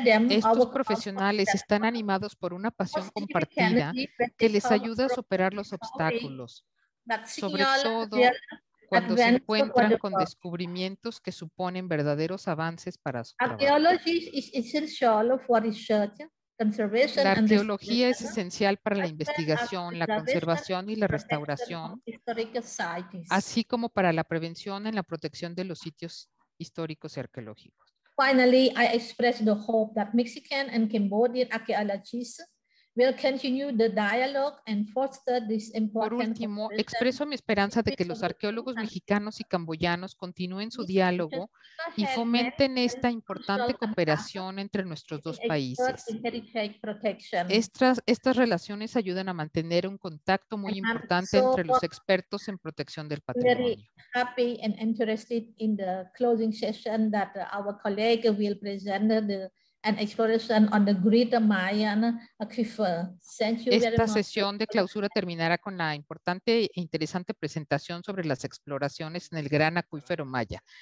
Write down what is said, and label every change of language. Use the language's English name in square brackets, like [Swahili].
[Spanish] Estos profesionales están animados por una pasión compartida que les ayuda a superar los obstáculos, sobre todo cuando se encuentran con descubrimientos que suponen verdaderos avances para su trabajo. La arqueología es esencial para la investigación, la conservación y la restauración, así como para la prevención en la protección de los sitios históricos y arqueológicos. [English] Finally, I express the hope that Mexican and Cambodian archaeologists will continue the dialogue and foster this important. [Spanish] Por último, expreso mi esperanza de que los arqueólogos mexicanos y camboyanos continúen su diálogo y fomenten esta importante cooperación entre nuestros dos países. Estas relaciones ayudan a mantener un contacto muy importante entre los expertos en protección del patrimonio. [English] Very happy and interested in the closing session that our colleague will present the an exploration on the Great Mayan Aquifer. Thank you [Spanish] esta [English] very much. [Spanish] Esta sesión de clausura terminará con la importante e interesante presentación sobre las exploraciones en el Gran Acuífero Maya.